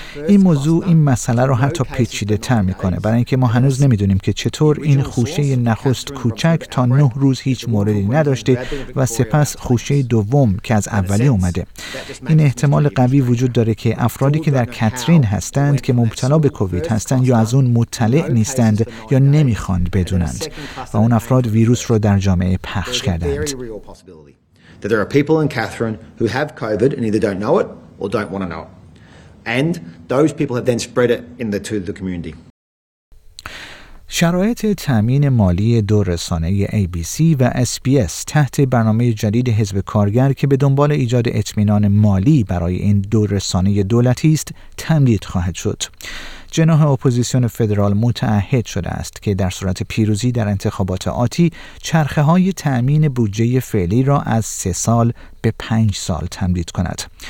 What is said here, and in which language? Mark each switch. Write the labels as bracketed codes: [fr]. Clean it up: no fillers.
[fa] این موضوع این مسئله رو حتی پیچیده تر میکنه، برای اینکه ما هنوز نمیدونیم که چطور این خوشه نخست کوچک تا 9 روز هیچ موردی نداشته و سپس خوشه دوم که از اولی اومده. این احتمال قوی وجود داره که افرادی که در کاترین هستند که مبتلا به کووید هستند یا از اون مطلع نیستند یا نمیخواند بدونند و اون افراد ویروس رو در جامعه پخش کردند. [en] There are people in Catherine who have COVID and either don't know it or don't want to know it. And those people have then spread it in the to the community. [fa] شرایط تأمین مالی دو رسانه ABC و SBS تحت برنامه جدید حزب کارگر که به دنبال ایجاد اطمینان مالی برای این دو رسانه دولتی است تمدید خواهد شد. جناح اپوزیسیون فدرال متعهد شده است که در صورت پیروزی در انتخابات آتی چرخه های تأمین بودجه فعلی را از 3 سال به 5 سال تمدید کند.